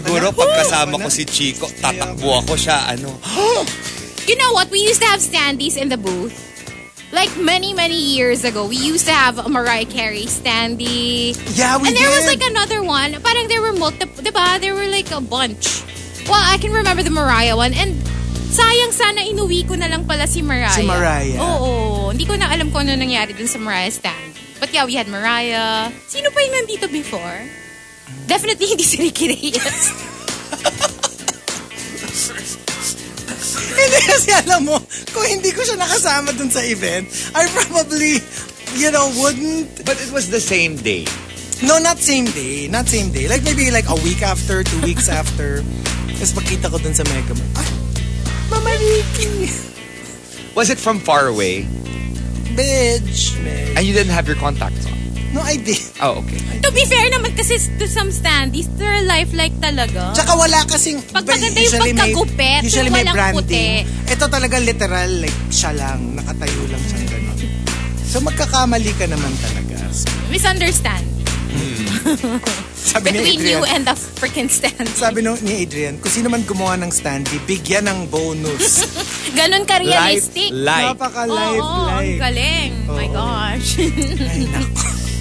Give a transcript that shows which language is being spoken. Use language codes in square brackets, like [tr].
[tl] siguro pagkasama ko si Chico, tatakbo ako siya. Ano? [en] You know what? We used to have standees in the booth. Like many, many years ago, we used to have a Mariah Carey standee. Yeah, we did. And there did. Was like another one. Parang there were multiple, diba? There were like a bunch. Well, I can remember the Mariah one. [tl] And sayang sana inuwi ko na lang pala si Mariah. Si Mariah. Oo. Hindi ko na alam kung ano nangyari din sa Mariah stand. But yeah, we had Mariah. Sino pa yung nandito before? Definitely hindi si Ricky Reyes. Hindi kasi alam mo, kung hindi ko siya nakasama dun sa event, I probably, you know, wouldn't. [en] But it was the same day. No, not same day. Not same day. Like maybe like a week after, 2 weeks after. [tl] Tapos pagkita ko dun sa Mega Mart. Ay, Mama Ricky! [en] Was it from far away? Bitch. And you didn't have your contacts on? No, I did. Oh, okay. To be fair naman, kasi to some standees, they're lifelike talaga. [tl] Tsaka wala kasing... Pagpaganda yung pagkagupet, [en] usually [tl] may branding. Puti. Ito talaga literal, like siya lang, nakatayo lang siya gano'n. So magkakamali ka naman talaga. So, [en] misunderstanding. [tl] Sabi between Adrian, you and the freaking standee. Sabi ni Adrian, kung sino man gumawa ng standee, bigyan ng bonus. Ganon ka realistic. [en] Life-like. [tl] Napaka-life-like. Oo, ang galing. Oh. My gosh. Ay, naku.